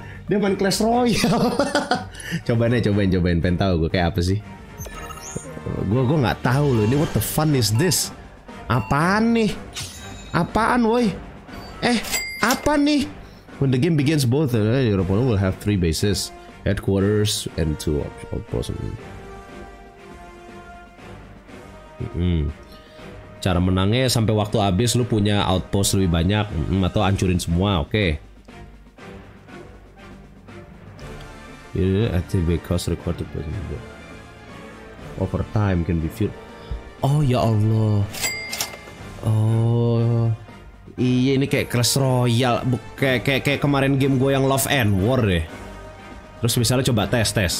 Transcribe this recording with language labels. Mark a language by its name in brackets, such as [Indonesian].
[Indonesian] Dia main Clash Royale. cobain. Pengen tahu gue kayak apa sih? Gue nggak tahu loh. Ini [English] what the fun is this? [Indonesian] Apaan nih? Apaan, woi? Apa nih? [English] When the game begins, both your opponent will have three bases, headquarters, and two outposts. [Indonesian] Cara menangnya sampai waktu habis lu punya outpost lebih banyak atau hancurin semua, okay? [English] Yeah, activate cost required to play the game. Over time can be filled. [Indonesian] Oh ya Allah. Oh iya, ini kayak Clash Royale, kayak kemarin game gue yang Love and War deh. Terus misalnya coba tes.